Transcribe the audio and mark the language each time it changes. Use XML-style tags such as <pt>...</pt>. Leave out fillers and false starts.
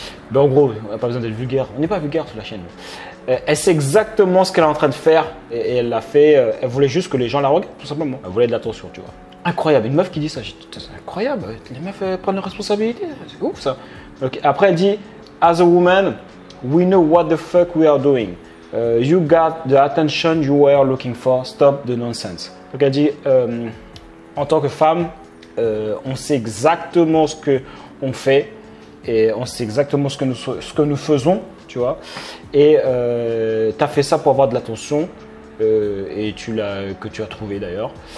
<fr>Mais en gros, on n'a pas besoin d'être vulgaire, on n'est pas vulgaire sur la chaîne. Elle sait exactement ce qu'elle est en train de faire et elle l'a fait, elle voulait juste que les gens la regardent tout simplement. Elle voulait de l'attention, tu vois. Incroyable, une meuf qui dit ça, c'est incroyable, les meufs prennent leur responsabilité, c'est ouf ça. Okay. Après elle dit,</fr> <en>as a woman, we know what the fuck we are doing. You got the attention you were looking for, stop the nonsense.</en> <fr>Donc elle dit, en tant que femme, on sait exactement ce qu'on fait et on sait exactement ce que nous faisons, tu vois. Et tu as fait ça pour avoir de l'attention. Et tu as trouvé d'ailleurs.</fr>